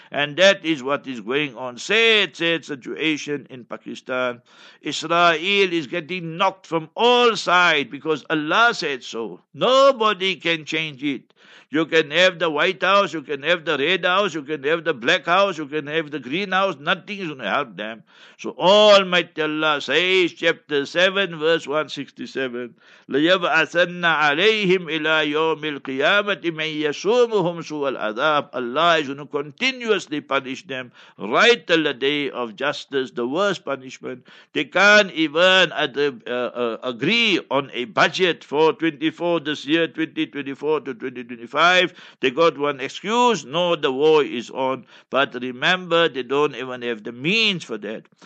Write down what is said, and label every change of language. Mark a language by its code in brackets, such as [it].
[en] And that is what is going on. Sad, sad situation in Pakistan. Israel is getting knocked from all sides because Allah said so. Nobody can change it. You can have the White House, you can have the Red House, you can have the Black House, you can have the Green House. Nothing is going to help them. So Almighty Allah says, chapter 7, verse 167, [ar] لَيَبْعَثَنَّ عَلَيْهِمْ إِلَىٰ يَوْمِ الْقِيَامَةِ مَنْ يَسُومُهُمْ سُوَ الْعَذَابِ. [en] Allah is going to continuously punish them right till the day of justice, the worst punishment. They can't even agree on a budget for 24 this year, 2024 to 2025. They got one excuse, no, the war is on. But remember, they don't even have the means for that.